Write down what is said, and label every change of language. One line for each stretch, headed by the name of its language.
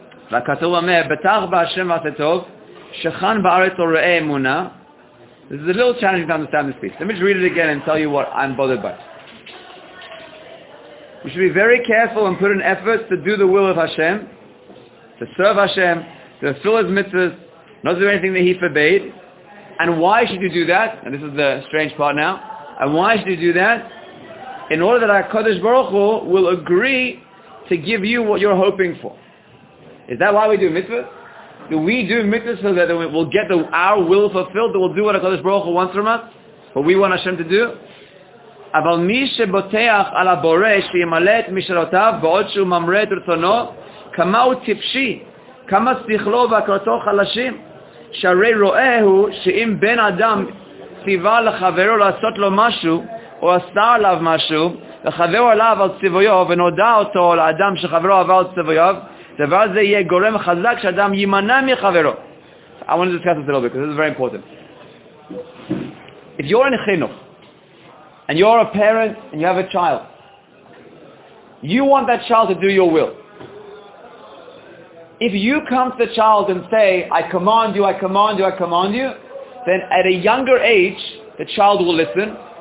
Hebrew: והכתוב אומר, בטח בהשם ועשה טוב, שכן בארץ וראה אמונה.
English: This is a little challenging to understand this piece. Let me just read it again and tell you what I'm bothered by. You should be very careful and put in effort to do the will of Hashem, to serve Hashem, to fulfill His mitzvahs, not to do anything that He forbade. And why should you do that? And this is the strange part now. And why should you do that? In order that HaKadosh Baruch Hu will agree to give you what you're hoping for. Is that why we do mitzvahs? Do we do mitzvahs so that we'll get our will fulfilled, that we'll do what HaKadosh Baruch Hu wants from us, what we want Hashem to do?
Hebrew: אבל מי שבוטח על הבורא שימלא את משאלותיו בעוד שהוא ממרא את רצונו, כמה הוא טיפשי, כמה שכלו והכרתו חלשים, שהרי רואה הוא שאם בן אדם ציווה לחברו לעשות לו משהו, או עשה עליו משהו, וחברו עליו על ציוויו, ונודע אותו לאדם שחברו עבר על ציוויו, דבר זה יהיה גורם חזק שאדם יימנע מחברו.
English: I want to discuss this a little bit, because this is very important. If you're in חינוך, and you're a parent, and you have a child, you want that child to do your will. If you come to the child and say, I command you, I command you, I command you, then at a younger age, the child will listen.